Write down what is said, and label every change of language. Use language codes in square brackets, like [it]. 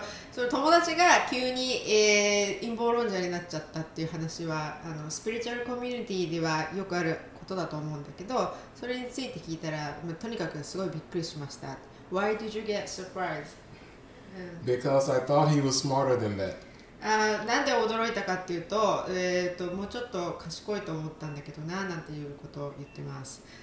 [ja] その友達が急に、陰謀論者になっちゃったっていう話はあのスピリチュアルコミュニティではよくあることだと思うんだけど、それについて聞いたら、まあ、とにかくすごいびっくりしました。 [en] Why did you get surprised? Because I thought he was smarter than that. [ja] なんで驚いたかっていうと、もうちょっと賢いと思ったんだけどななんていうことを言ってます。